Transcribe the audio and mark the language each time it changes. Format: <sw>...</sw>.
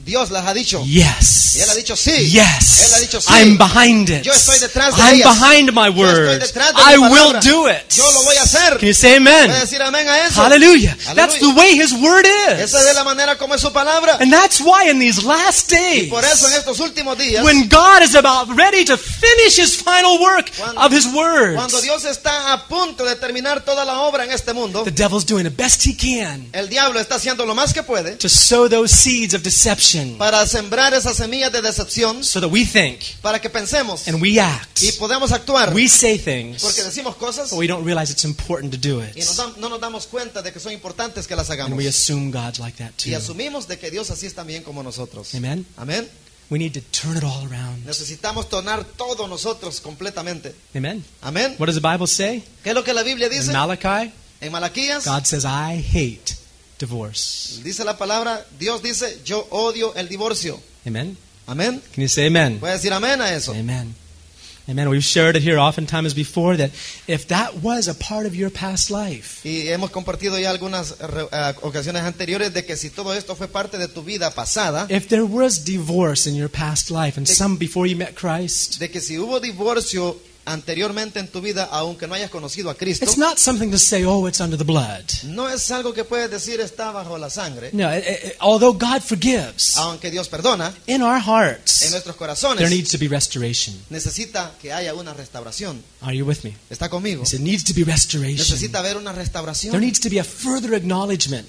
<es>Dios las ha dicho,</es> <en>yes.</en> <es>Y él ha dicho, sí.</es> <en>Yes.</en> <es>Él ha dicho, sí.</es> <en>I'm behind it.</en> <es>Yo estoy detrás de</es> <en>I'm</en> <es>ellas.</es> <en>Behind my word.</en> <es>Yo estoy detrás de</es> <en>I</en> <es>mi palabra.</es> <en>Will do it.</en> <es>Yo lo voy a hacer.</es> <en>Can you say amen?</en> <es>¿Puedes decir amén a eso?</es> <en>Hallelujah. That's the way his word is.</en> <es>Esa es la manera como es su palabra.</es> <en>And that's why in these last days,</en> <es>y por eso en estos últimos días,</es> <en>when God is about ready to finish his final work of his words,</en> <es>cuando Dios está a punto de terminar toda la obra en este mundo,</es> <en>the devil's doing the best he can,</en> <es>el diablo está haciendo lo más que puede,</es> <en>to sow those seeds of deception,</en> <es>para sembrar esas semillas de decepción,</es> <en>so that we think,</en> <es>para que pensemos,</es> <en>and we act,</en> <es>y podemos actuar,</es> <en>we say things,</en> <es>porque decimos cosas,</es> <en>but we don't realize it's important to do it,</en> <es>y no nos damos cuenta de que son importantes que las hagamos,</es> <en>and we assume God's like that too,</en> <es>y asumimos de que Dios así es también como nosotros.</es> <en>Amen.</en> <es>Amen.</es> <en>We need to turn it all around.</en> <es>Necesitamos tornar todo nosotros completamente.</es> <en>Amen.</en> <es>Amen.</es> <en>What does the Bible say?</en> <es>¿Qué es lo que la Biblia dice?</es> <en>In Malachi,</en> <es>en Malaquías,</es> <en>God says, I hate divorce.</en> <es>Dice la palabra, Dios dice, yo odio el divorcio.</es> <en>Amen.</en> <es>Amen.</es> <en>Can you say amen?</en> <es>¿Puedes decir amén a eso?</es> <en>Amen. Amen. We've shared it here oftentimes before that if that was a part of your past life,</en> <es>y hemos compartido ya algunas ocasiones anteriores de que si todo esto fue parte de tu vida pasada,</es> <en>if there was divorce in your past life and some before you met Christ,</en> <es>de que si hubo divorcio anteriormente en tu vida aunque no hayas conocido a Cristo,</es> <en>it's not something to say, oh, it's under the blood.</en> <es>No es algo que puedes decir está bajo la sangre.</es> <en>No, although God forgives,</en> <es>aunque Dios perdona,</es> <en>in our hearts,</en> <es>en nuestros corazones,</es> <en>there needs to be restoration.</en> <es>Necesita que haya una restauración.</es> <en>Are you with me?</en> <es>¿Está conmigo?</es> <en>It needs to be restoration.</en> <es>Necesita haber una restauración.</es> <en>There needs to be a further acknowledgement.</en>